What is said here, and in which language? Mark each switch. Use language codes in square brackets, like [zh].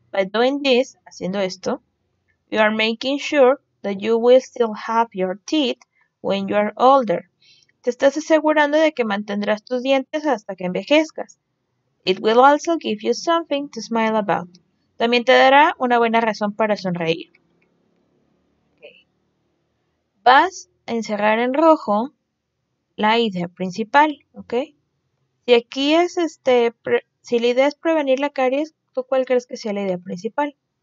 [en] By doing this, [es] haciendo esto, [en] you are making sure that you will still have your teeth when you are older. [es] Te estás asegurando de que mantendrás tus dientes hasta que envejezcas. [en] It will also give you something to smile about. [es] También te dará una buena razón para sonreír. Okay. Vas a encerrar en rojo la idea principal, ¿ok? Si aquí es si la idea es prevenir la caries, ¿tú cuál crees que sea la idea principal?